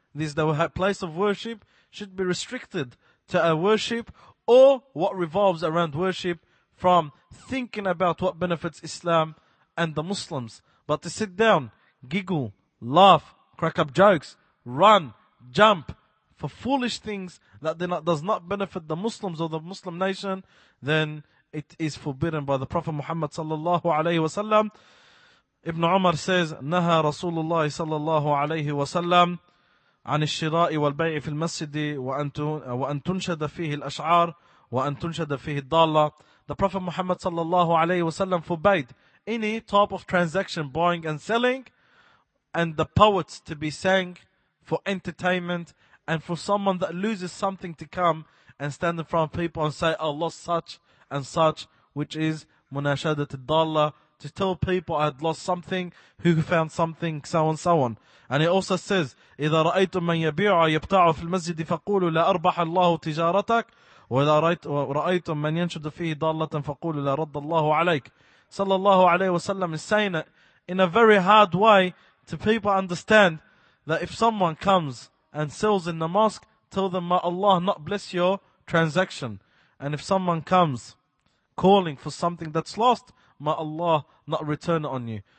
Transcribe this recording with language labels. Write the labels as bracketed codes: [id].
[en] This the place of worship should be restricted to a worship or what revolves around worship, from thinking about what benefits Islam and the Muslims. But to sit down, giggle, laugh, crack up jokes, run, jump for foolish things that does not benefit the Muslims or the Muslim nation, then it is forbidden by the Prophet Muhammad sallallahu alayhi wa sallam. Ibn Umar says, [ar] Naha Rasulullah sallallahu alayhi wa sallam عن الشراء والبيع في المسجد وأن تنشد فيه الأشعار وأن تنشد فيه الضالة. [en] The Prophet Muhammad sallallahu alayhi wasallam forbade any type of transaction, buying and selling, and the poets to be sang for entertainment, and for someone that loses something to come and stand in front of people and say, I lost such and such, which is munashadat al-dalla, to tell people I had lost something, who found something, so on, so on. And he also says, [ar] إِذَا رَأَيْتُم مَنْ يَبِيعُ يَبْتَعُ فِي الْمَسْجِدِ فَقُولُوا لَا أَرْبَحَ اللَّهُ تِجَارَتَكَ وَإِذَا رَأَيْتُم مَنْ يَنْشُدُ فِيهِ ضَالَّةً فَقُولُوا لَا رَدَّ اللَّهُ عَلَيْكَ. [en] Sallallahu alayhi wa sallam is saying it in a very hard way to people understand that if someone comes and sells in the mosque, tell them, may Allah not bless your transaction. And if someone comes calling for something that's lost, may Allah not return it on you.